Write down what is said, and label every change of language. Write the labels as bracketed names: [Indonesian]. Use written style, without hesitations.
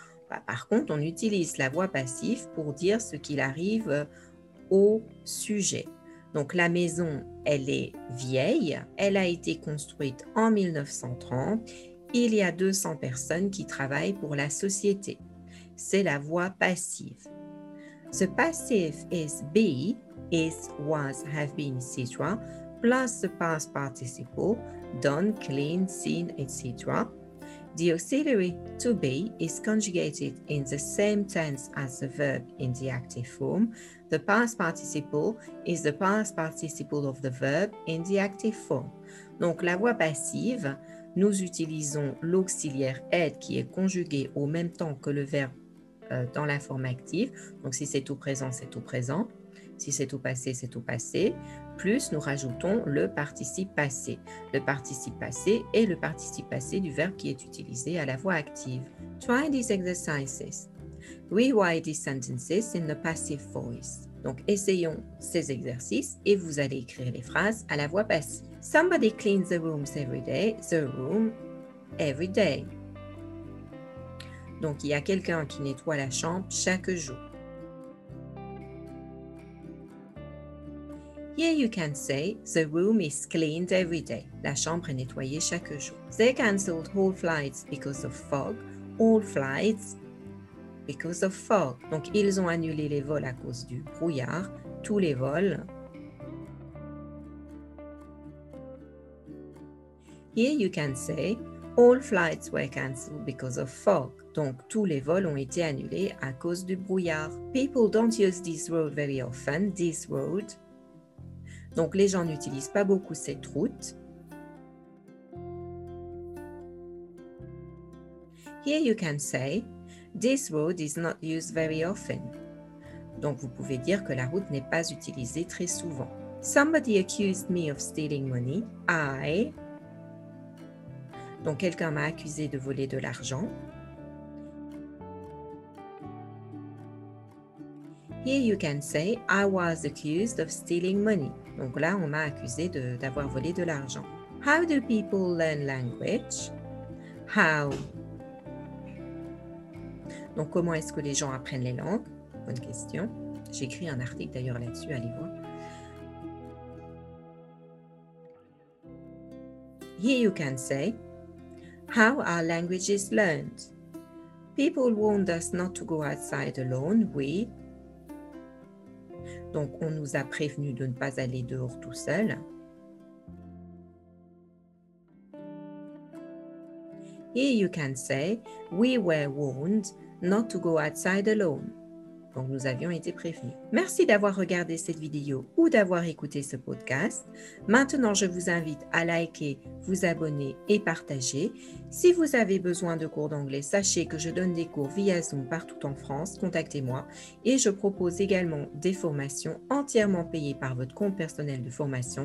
[French] Bah, par contre, on utilise la voix passive pour dire ce qu'il arrive au sujet. Donc, la maison, elle est vieille. Elle a été construite en 1930. Il y a 200 personnes qui travaillent pour la société. C'est la voix passive. [English] The passive is be, is, was, have been, etc. plus the past participle, done, clean, seen, etc. The auxiliary to be is conjugated in the same tense as the verb in the active form. The past participle is the past participle of the verb in the active form. [French] Donc, la voix passive, nous utilisons l'auxiliaire être qui est conjugué au même temps que le verbe dans la forme active, donc si c'est au présent, c'est au présent, si c'est au passé, c'est au passé, plus nous rajoutons le participe passé. Le participe passé est le participe passé du verbe qui est utilisé à la voix active. [English] Try these exercises. Rewrite these sentences in the passive voice. [French] Donc essayons ces exercices et vous allez écrire les phrases à la voix passive. [English] Somebody cleans the rooms every day, the room every day. [French] Donc, il y a quelqu'un qui nettoie la chambre chaque jour. [English] Here you can say, the room is cleaned every day. [French] La chambre est nettoyée chaque jour. [English] They cancelled all flights because of fog. All flights because of fog. [French] Donc, ils ont annulé les vols à cause du brouillard. Tous les vols. [English] Here you can say, all flights were cancelled because of fog. [French] Donc, tous les vols ont été annulés à cause du brouillard. [English] People don't use this road very often. This road. [French] Donc, les gens n'utilisent pas beaucoup cette route. [English] Here you can say, this road is not used very often. [French] Donc, vous pouvez dire que la route n'est pas utilisée très souvent. [English] Somebody accused me of stealing money. I. [French] Donc, quelqu'un m'a accusé de voler de l'argent. [English] Here you can say, I was accused of stealing money. [French] Donc là, on m'a accusé d'avoir volé de l'argent. [English] How do people learn language? How? [French] Donc, comment est-ce que les gens apprennent les langues? Bonne question. J'écris un article d'ailleurs là-dessus, allez voir. [English] Here you can say, how are languages learned? People warned us not to go outside alone, we. [French] Donc, on nous a prévenu de ne pas aller dehors tout seul. [English] Here you can say, we were warned not to go outside alone. [French] Donc, nous avions été prévenus. Merci d'avoir regardé cette vidéo ou d'avoir écouté ce podcast. Maintenant, je vous invite à liker, vous abonner et partager. Si vous avez besoin de cours d'anglais, sachez que je donne des cours via Zoom partout en France. Contactez-moi et je propose également des formations entièrement payées par votre compte personnel de formation.